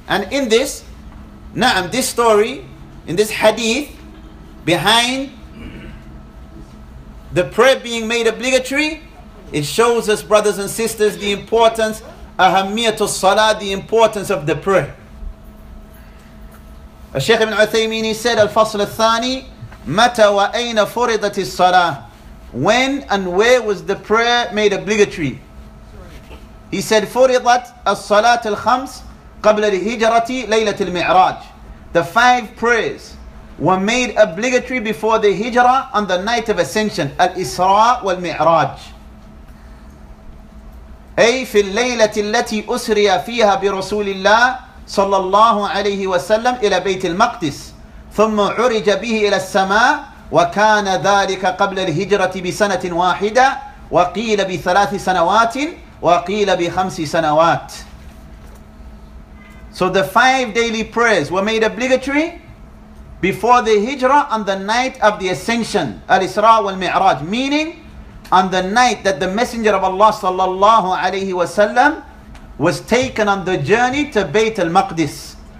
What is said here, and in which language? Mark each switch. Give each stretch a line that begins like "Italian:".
English: And in this, na'am, this story, in this hadith, behind the prayer being made obligatory, it shows us, brothers and sisters, the importance, ahamiyatul salah, the importance of the prayer.
Arabic: Al-Shaykh ibn Uthaymeen,
English: he said,
Arabic: Al-Fasl al-Thani, Mata wa ayna furidati salah.
English: When and where was the prayer made obligatory? He said,
Arabic: فُرِضَتْ الصَّلَاةِ الْخَمْسِ قَبْلَ الْهِجَرَةِ لَيْلَةِ الْمِعْرَاجِ.
English: The five prayers were made obligatory before the hijrah on the night of ascension, Al-Isra wal-Mi'raj.
Arabic: أي في الليلة التي أسري فيها برسول الله صلى الله عليه وسلم إلى بيت المقدس ثم عرج به إلى السماء وكان ذلك قبل الهجرة بسنة واحدة وقيل بثلاث سنوات وقيل بخمس سنوات.
English: So the five daily prayers were made obligatory before the hijrah on the night of the ascension, Al-Isra wal-Mi'raj, meaning on the night that the Messenger of Allah sallallahu alayhi wa sallam was taken on the journey to Bayt al-Maqdis.